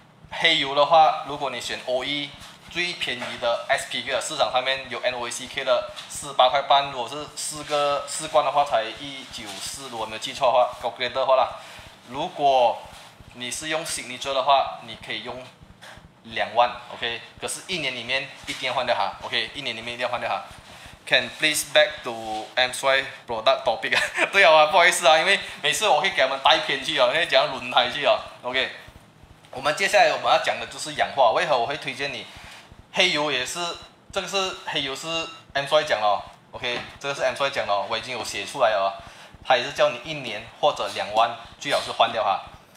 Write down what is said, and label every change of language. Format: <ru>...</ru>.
<zh>黑油的话，如果你选 OE 最便宜的 SP 的市场上面有 NOACK 的48.8块，如果是四罐的话才194，如果没有记错的话，高规格的话啦。如果你是用 Signature 的话，你可以用。 2万 ，OK， 可是一年里面一定要换掉它 ，OK， 一年里面一定要换掉它。</zh> <en>Can please back to MSY product topic？</en> <zh>对啊，不好意思啊，因为每次我会给他们带偏去啊，会讲轮胎去啊 ，OK。我们接下来我们要讲的就是氧化，为何我会推荐你黑油也是，这个是黑油是 MSY 讲哦 ，OK， 这个是 MSY 讲哦，我已经有写出来了，他也是叫你一年或者2万最好是换掉它。</zh>